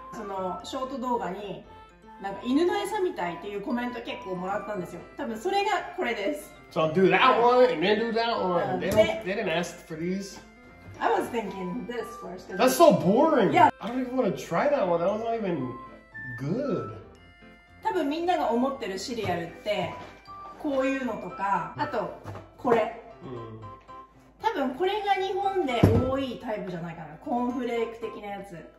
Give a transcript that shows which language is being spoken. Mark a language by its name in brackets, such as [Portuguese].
[Japanese] そのショート動画に、なんか犬の餌みたいっていうコメント結構もらったんですよ。多分それがこれです。 [English] So do that one and then do that one. They didn't ask for these. I was thinking this first. That's so boring. Yeah. I don't even want to try that one. That was not even good. [Japanese] 多分みんなが思ってるシリアルってこういうのとか、あとこれ。多分これが日本で多いタイプじゃないかな。コーンフレーク的なやつ。